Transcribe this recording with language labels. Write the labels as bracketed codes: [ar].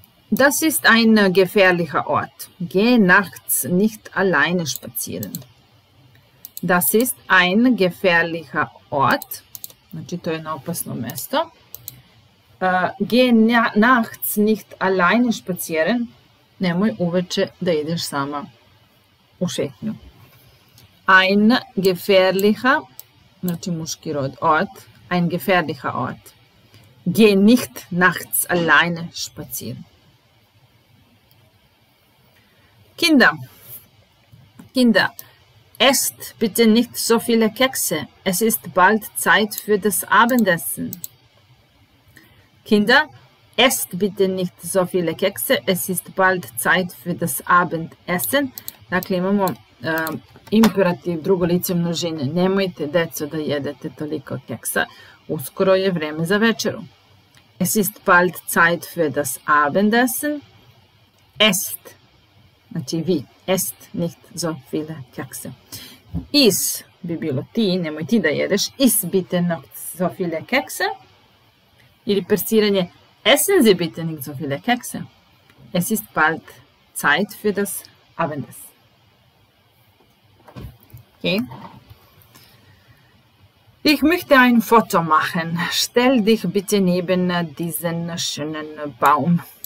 [de] Das ist ein gefährlicher Ort. Geh nachts nicht alleine spazieren. Das ist ein gefährlicher Ort. [sr] Znači, to je jedno opasno mesto. [de] Geh nachts nicht alleine spazieren. [sr] Nemoj uveče da ideš sama u šetnju. [de] Ein gefährlicher, [sr] znači muški rod, [de] Ort. Ein gefährlicher Ort. Geh nicht nachts alleine spazieren. Kinder, esst bitte nicht so viele Kekse. Es ist bald Zeit für das Abendessen. Kinder, esst bitte nicht so viele Kekse. Es ist bald Zeit für das Abendessen. [sr] Dakle, imamo imperativ, drugo lice množine. Nemojte, deco, da jedete toliko keksa. Uskoro je vreme za večeru. [de] Es ist bald Zeit für das Abendessen. Esst. [sr] Znači vi. [de] Esst nicht so viele Kekse. [sr] Is bi bilo ti, nemoj ti da jedeš. [de] Is bitte nicht so viele Kekse. [sr] Ili persiranje. [de] Essen Sie bitte nicht so viele Kekse. Es ist bald Zeit für das Abendessen. Okay. Ich möchte ein Foto machen. Stell dich bitte neben diesen schönen Baum.